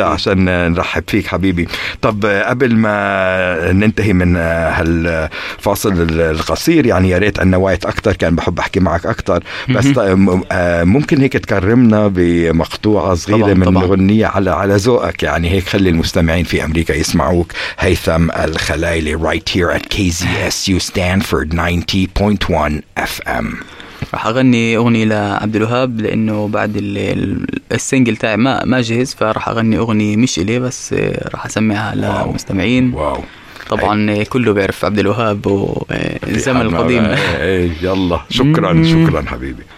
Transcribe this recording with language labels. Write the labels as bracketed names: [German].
[Arabic] عشان نرحب فيك حبيبي. طب قبل ما ننتهي من هالفاصل القصير، يعني يا ريت عنا وايت أكتر، كان بحب أحكي معك أكتر، بس ممكن هيك تكرمنا بمقابل مقطوعة صغيرة طبعاً من الغنية على ذوقك، يعني هيك خلي المستمعين في أمريكا يسمعوك. [English] هيثم الخلايلي right here at KZSU Stanford 90.1 FM. [Arabic] رح أغني أغنية لعبد الوهاب، لأنه بعد السنجل تاعي ما جهز، فرح أغني أغنية مش إليه بس رح أسمعها للمستمعين. واو. طبعا كله بيعرف عبد الوهاب والزمن القديم. يلا شكرا. شكرا حبيبي.